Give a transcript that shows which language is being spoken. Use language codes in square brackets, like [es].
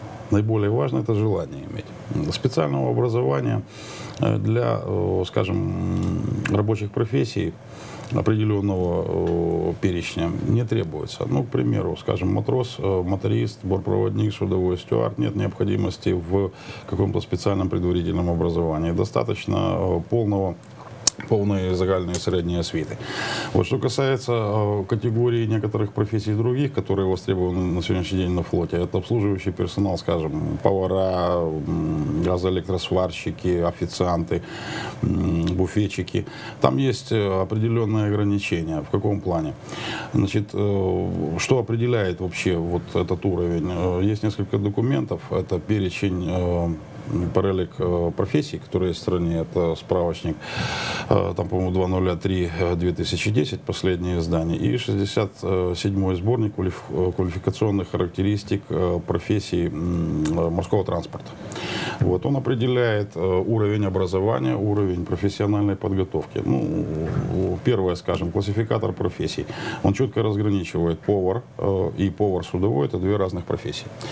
[uk] Найбільш важливе – це бажання мати. Спеціального образування для, скажімо, робочих професій [ru] определенного перечня не требуется. Ну, к примеру, скажем, матрос, моторист, бортпроводник, судовой стюард, нет необходимости в каком-то специальном предварительном образовании. Достаточно полной [uk] загальной [ru] средней освиты. Вот что касается категории некоторых профессий других, которые востребованы на сегодняшний день на флоте, это обслуживающий персонал, скажем, повара, газоэлектросварщики, официанты, буфетчики. Там есть определенные ограничения. В каком плане? Значит, что определяет вообще вот этот уровень? Есть несколько документов. Это перечень, [uk] перелік професій, які в країні, це справочник, там, по-моєму, 2003-2010, останнє здання, і 67-й збірник кваліфікаційних характеристик професій морського транспорту. [ru] Вот, он определяет уровень образования, уровень профессиональной подготовки. Ну, первое, скажем, классификатор профессий. Он четко разграничивает повар и повар судовой, это две разных профессии.